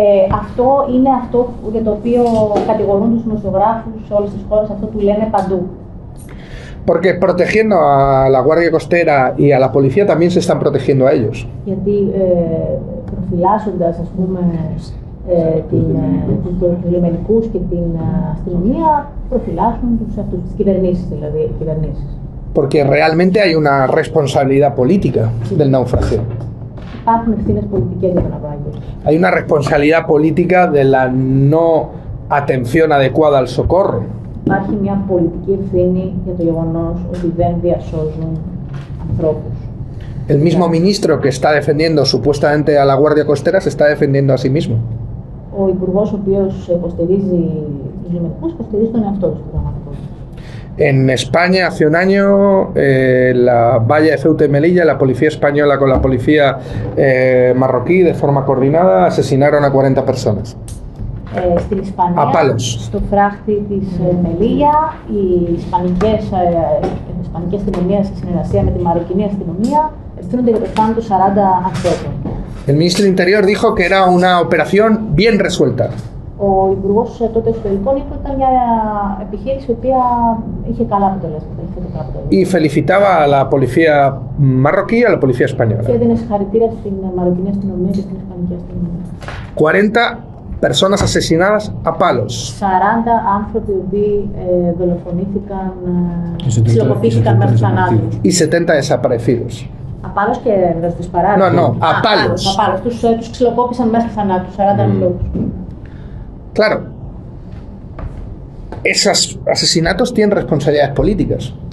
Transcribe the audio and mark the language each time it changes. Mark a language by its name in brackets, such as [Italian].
[Greek] Αυτό είναι αυτό για το οποίο κατηγορούν τους δημοσιογράφους σε όλες τις χώρες, αυτό που λένε παντού. [Spanish] Porque protegiendo a la Guardia Costera y a la policía también se están protegiendo a ellos. [Greek] Γιατί προφυλάσσοντας, ας πούμε, τους λιμενικούς και την αστυνομία, προφυλάσσουν τους αυτούς, τις κυβερνήσεις δηλαδή, οι κυβερνήσεις. [Spanish] Porque realmente hay una responsabilidad política del naufragio. [Greek] Υπάρχουν ευθύνες πολιτικές για το ναυάγιο. [Spanish] Hay una responsabilidad política de la no atención adecuada al socorro. [Greek] Υπάρχει μια πολιτική ευθύνη για το γεγονός ότι δεν διασώζουν ανθρώπους. [Spanish] El mismo ministro que está defendiendo supuestamente a la Guardia Costera se está defendiendo a sí mismo. [Greek] Ο υπουργός ο οποίος υποστηρίζει τους λιμενικούς υποστηρίζει τον εαυτό του. [Spanish] En España hace un año la valla de Ceuta y Melilla, la policía española con la policía marroquí de forma coordinada asesinaron a 40 personas. [Greek] Στην Ισπανία, [Spanish] a palos. [Greek] Στο φράχτη της Μελίλια, οι ισπανικές αστυνομίες σε συνεργασία με τη μαροκινή αστυνομία ευθύνονται για το θάνατο 40 ανθρώπων. [Spanish] El ministro del Interior dijo que era una operación bien resuelta. [Greek] Ο υπουργός τότε εσωτερικών είπε ότι ήταν μια επιχείρηση η οποία είχε καλά αποτελέσματα. [Spanish] Y felicitaba a la policía marroquí y a la policía española. [Greek] Και έδινε συγχαρητήρια στην μαροκινή αστυνομία και στην ισπανική αστυνομία. [Spanish] 40 personas asesinadas a palos. [Greek] 40 άνθρωποι που δολοφονήθηκαν, ψηλοκοπήθηκαν μέχρι θανάτου. [Spanish] Y 70 desaparecidos. A palos [Greek] και δεν τους παράδειγμα. [Spanish] No, a palos. A palos. [Greek] Τους ξυλοκόπησαν μέχρι θανάτου, 40 ανθρώπους. [Spanish] Claro, esos asesinatos tienen responsabilidades políticas.